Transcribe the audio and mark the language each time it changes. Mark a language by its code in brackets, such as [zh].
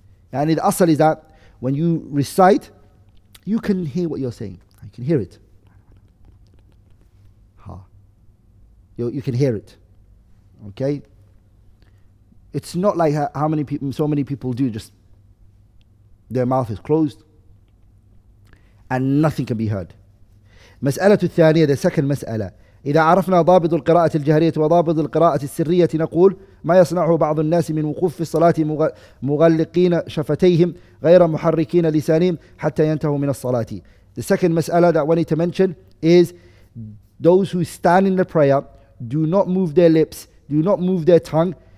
[en] And the asal is that when you recite, you can hear what you're saying. You can hear it. You can hear it. Okay? It's not like how many people, so many people do, just their mouth is closed and nothing can be heard. [ar] مسألة الثانية, [en] the second [ar] مسألة. إذا عرفنا ضابط القراءة الجهرية وضابط القراءة السرية نقول ما يصنعه بعض الناس من وقوف في الصلاة مغلقين شفتيهم غير محركين لسانهم حتى ينتهوا من الصلاة. [en] The second masala that we need to mention is those who stand in the prayer do not move their lips, do not move their tongue.